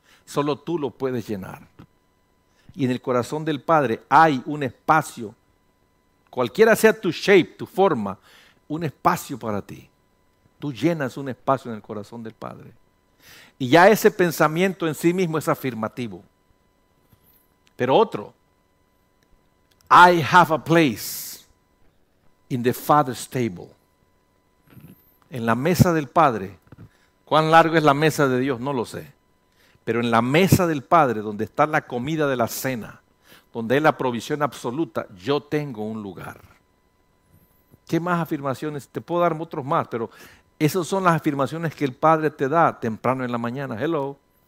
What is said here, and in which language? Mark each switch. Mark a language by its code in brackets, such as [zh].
[es] Solo tú lo puedes llenar. Y en el corazón del Padre hay un espacio, cualquiera sea tu shape, tu forma, un espacio para ti. Tú llenas un espacio en el corazón del Padre. Y ya ese pensamiento en sí mismo es afirmativo. Pero otro, [en] I have a place in the Father's table. [es] En la mesa del Padre, ¿cuán largo es la mesa de Dios? No lo sé. Pero en la mesa del Padre, donde está la comida de la cena, donde es la provisión absoluta, yo tengo un lugar. ¿Qué más afirmaciones? Te puedo dar otros más, pero esas son las afirmaciones que el Padre te da temprano en la mañana. Hello.